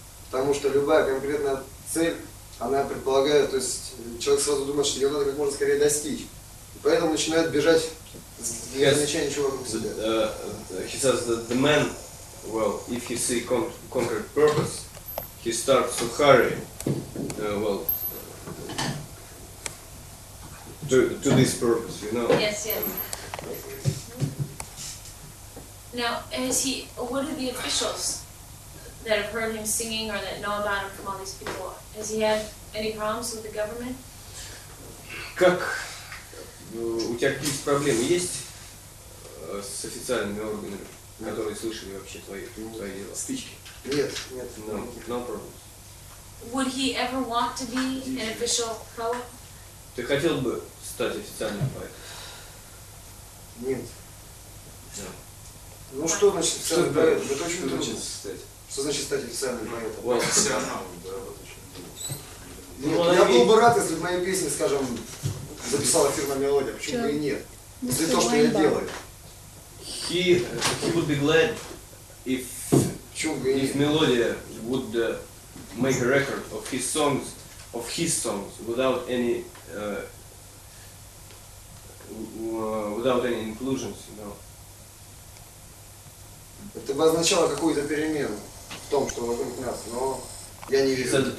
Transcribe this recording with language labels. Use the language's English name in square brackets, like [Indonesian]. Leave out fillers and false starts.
[Russian] Потому что любая конкретная цель, она предполагает, то есть человек сразу думает, что ее надо как можно скорее достичь. И поэтому начинает бежать, не замечая ничего вокруг себя. [English] He says that the man, well, if he see concrete purpose, he starts to hurry, to this purpose, you know? Yes, yes. Now, what are the officials that have heard him singing or that know about him from all these people? Has he had any problems with the government? [Russian] Как? У тебя какие-то проблемы есть с официальными органами, которые слышали вообще твои дела? Спички? Нет. [English] No problems. Would he ever want to be an official poet? [Russian] Ты хотел бы стать официальным поэтом? Нет. [English] No. [Russian] Ну что значит официальный поэт? Это очень трудно. Что значит стать официальным поэтом? [English] Well, [Russian] профессионалом, да, вот. Я был бы рад, если бы мои песни, скажем, записала фирма «Мелодия», почему бы и нет? За то, что я делаю. [English] He would be glad if «Мелодия» would make a record of his songs, without any without any inclusions, you know. [Russian] Это бы означало какую-то перемену в том, что вокруг нас, но я не вижу.